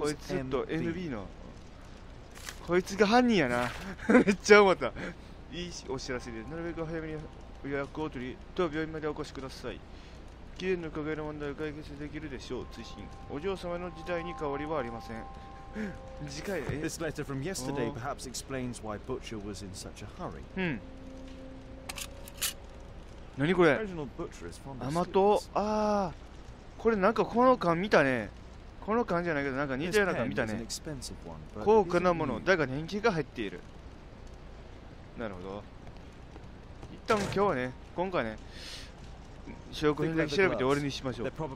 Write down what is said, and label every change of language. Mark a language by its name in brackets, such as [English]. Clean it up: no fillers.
[Japanese] こいつと NB の。こいつが犯人やな。めっちゃ思った。いいお知らせで、なるべく早めに予約を取り、当病院までお越しください。綺麗な加減の問題を解決できるでしょう。追伸。お嬢様の事態に変わりはありません。次回へ。 [English] This letter from yesterday perhaps explains why Butcher was in such a hurry. [Japanese] うん。何これ、アマト、あー、これなんかこの缶見たね。この缶じゃないけどなんか似たような缶見たね。高価なものだが年季が入っている。なるほど。一旦今日はね、今回ね、証拠品だけ調べて終わりにしましょう。